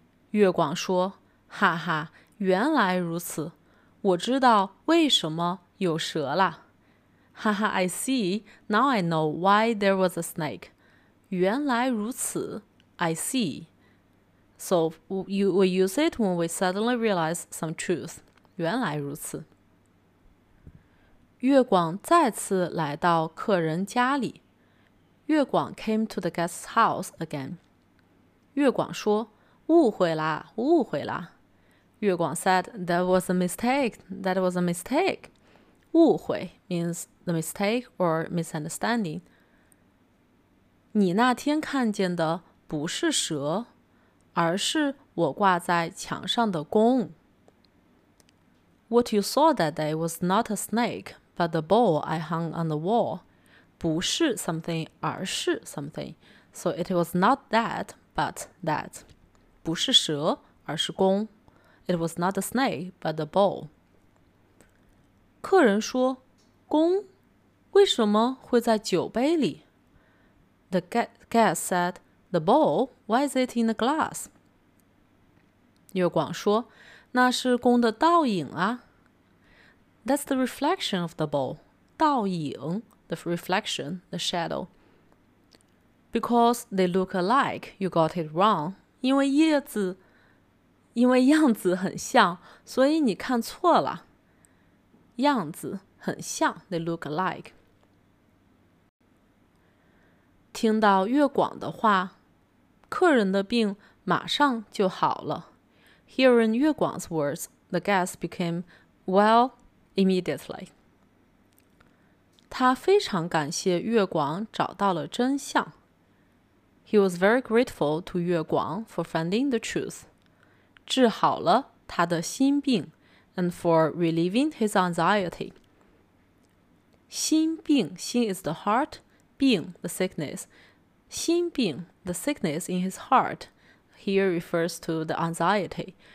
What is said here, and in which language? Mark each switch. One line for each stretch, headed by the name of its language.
Chinese: 月广说，哈哈，原来如此，我知道为什么有蛇了。
English: 哈哈 I see, now I know why there was a snake.
Chinese: 原来如此
English: I see. So you will use it when we suddenly realize some truth.
Chinese: 原来如此。月广再次来到客人家里。
English: 月广 came to the guest's house again.
Chinese: 月广说，误会啦，误会啦。
English: 月广 said, that was a mistake, that was a mistake. 误会 means the mistake or misunderstanding.
Chinese: 你那天看见的不是蛇。而是我挂在墙上的弓。
English: What you saw that day was not a snake, but the bow I hung on the wall. 不是 something, 而是 something. So it was not that, but that.
Chinese: 不是蛇，而是弓。
English: It was not a snake, but the bow.
Chinese: 客人说，弓为什么会在酒杯里？
English: The guest said,The bowl, why is it in the glass?
Chinese: 月广说，那是弓的倒影啊。
English: That's the reflection of the bowl. 倒影 the reflection, the shadow. Because they look alike, you got it wrong.
Chinese: 因为叶子，因为样子很像，所以你看错了。样子很像
English: they look alike.
Chinese: 听到月广的话，客人的病马上就好了。
English: Hearing 月广's words, the guest became well immediately.
Chinese: 他非常感谢月广找到了真相。
English: He was very grateful to 月广 for finding the truth,
Chinese: 治好了他的心病
English: and for relieving his anxiety. 心病，心 is the heart, 病 the sickness. 心病 the sickness in his heart, here refers to the anxiety,